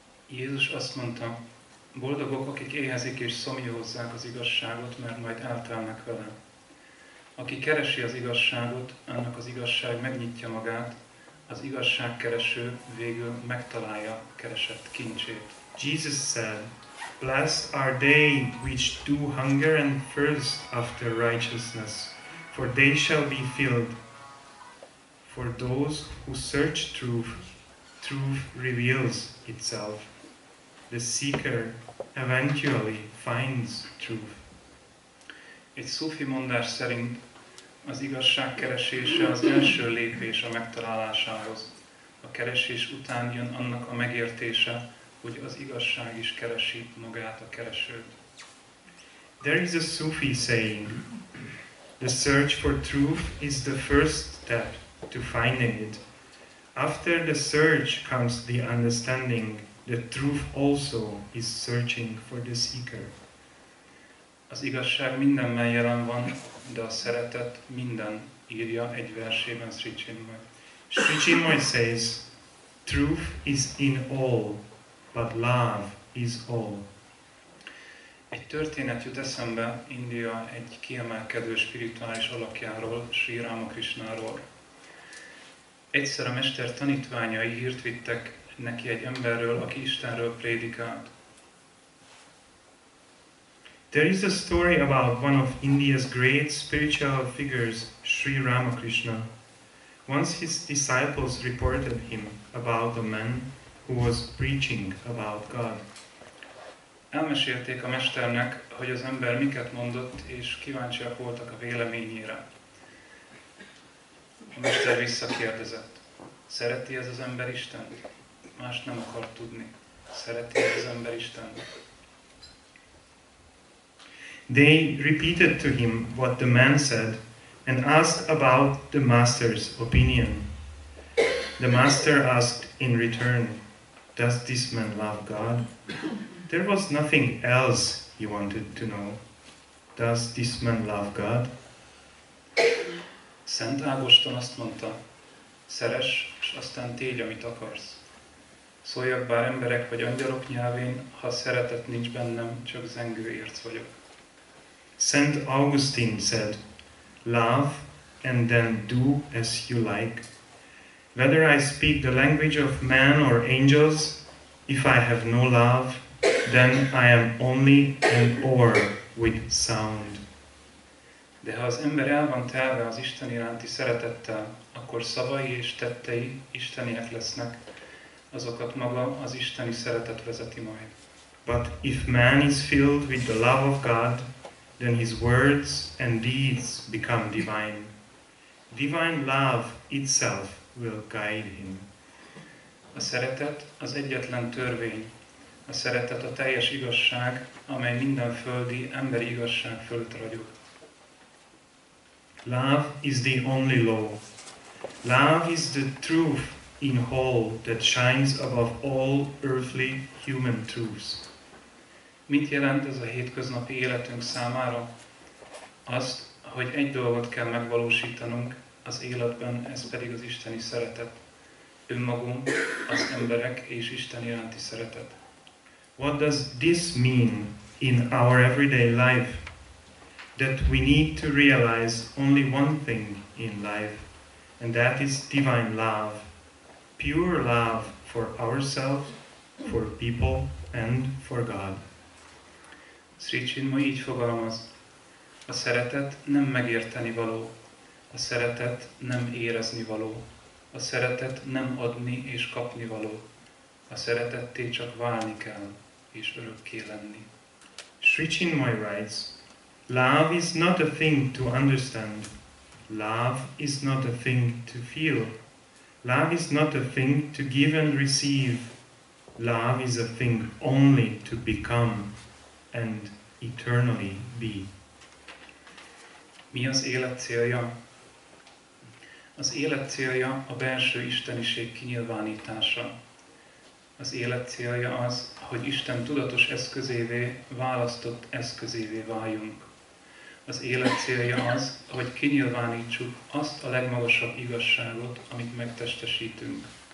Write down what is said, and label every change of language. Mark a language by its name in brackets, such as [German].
[Hungarian] Jézus azt mondta, boldogok, akik éhezik és szomjózzák az igazságot, mert majd eltelnek vele. Aki keresi az igazságot, annak az igazság megnyitja magát, az igazságkereső végül megtalálja keresett kincsét. [English] Jesus said, blessed are they which do hunger and thirst after righteousness, for they shall be filled. For those who search truth, truth reveals itself. The seeker eventually finds truth. [Hungarian] Egy szufi mondás szerint az igazság keresése az első lépés a megtalálásához. A keresés után jön annak a megértése, hogy az igazság is keresi magát a keresőt. [English] There is a Sufi saying, the search for truth is the first step to finding it. After the search comes the understanding. The truth also is searching for the seeker. [Hungarian] Az igazság mindenben jelen van, de a szeretet minden, írja egy versében Sri Chinmoy. [English] Sri Chinmoy says, truth is in all, but love is all. [Hungarian] Egy történet jut eszembe India egy kiemelkedő spirituális alakjáról, Sri Ramakrishnáról. Egyszer a mester tanítványai hírt vittek neki egy emberről, aki Istenről prédikált. [English] There is a story about one of India's great spiritual figures, Sri Ramakrishna. Once his disciples reported him about a man who was preaching about God. [Hungarian] Elmesélték a mesternek, hogy az ember miket mondott, és kíváncsiak voltak a véleményére. A mester visszakérdezett. Szereti ez az ember Istent? Más nem akar tudni. Szereti ez az ember Istent? [English] They repeated to him what the man said and asked about the master's opinion. The master asked in return, does this man love God? There was nothing else he wanted to know. Does this man love God? [Hungarian] Szent Ágoston azt mondta, szeress, és aztán tégy, amit akarsz. Szóljak bár emberek vagy angyalok nyelvén, ha szeretet nincs bennem, csak zengő érc vagyok. [English] Saint Augustine said, love and then do as you like. Whether I speak the language of man or angels, if I have no love, then I am only an oar with sound. [Hungarian] De ha az ember el van telve az Isten iránti szeretettel, akkor szavai és tettei isteniek lesznek, azokat maga az isteni szeretet vezeti majd. [English] But if man is filled with the love of God, then his words and deeds become divine. Divine love itself will guide him. [Hungarian] A szeretet az egyetlen törvény. A szeretet a teljes igazság, amely minden földi, emberi igazság fölött ragyog. [English] Love is the only law. Love is the truth in whole that shines above all earthly human truths. [Hungarian] Mit jelent ez a hétköznapi életünk számára? Azt, hogy egy dolgot kell megvalósítanunk az életben, ez pedig az isteni szeretet. Önmagunk, az emberek és Isten iránti szeretet. [English] What does this mean in our everyday life? That we need to realize only one thing in life, and that is divine love. Pure love for ourselves, for people and for God. [Hungarian] Sri Chinmoy így fogalmaz, a szeretet nem megérteni való, a szeretet nem érezni való, a szeretet nem adni és kapni való, a szeretetté csak válni kell és örökké lenni. [English] Sri Chinmoy writes, love is not a thing to understand, love is not a thing to feel, love is not a thing to give and receive, love is a thing only to become and eternally be. [Hungarian] Mi az élet célja? Az élet célja a belső isteniség kinyilvánítása. Az élet célja az, hogy Isten tudatos eszközévé, választott eszközévé váljunk. Az élet célja az, hogy kinyilvánítsuk azt a legmagasabb igazságot, amit megtestesítünk.